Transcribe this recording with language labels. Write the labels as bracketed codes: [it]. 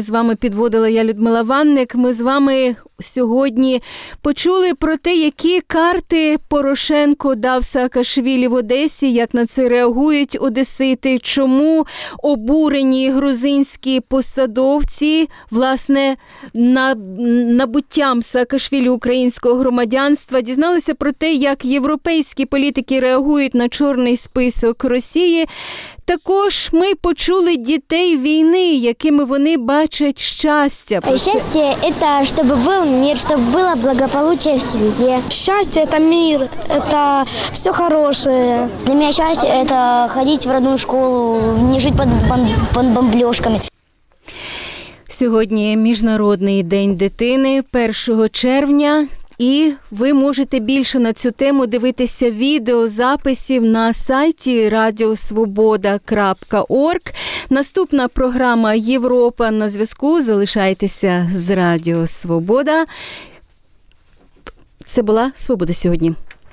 [uk] З вами підводила я, Людмила Ванник. Ми з вами сьогодні почули про те, які карти Порошенко дав Саакашвілі в Одесі, як на це реагують одесити, чому обурені грузинські посадовці, власне, набуттям Саакашвілі українського громадянства. Дізналися про те, як європейські політики реагують на чорний список Росії. Також ми почули дітей війни, якими вони бачать щастя. Щастя – это щоб був мир, щоб було благополучие в сім'ї. [ru] Щастя – это мир, это все хорошее. [uk] Для мене щастя [ru] – это ходить в родну школу, не жить под бомбльошками. [uk] Сьогодні Міжнародний день дитини, 1 червня. І ви можете більше на цю тему дивитися відеозаписів на сайті radiosvoboda.org. Наступна програма «Європа на зв'язку». Залишайтеся з Радіо Свобода. Це була «Свобода сьогодні».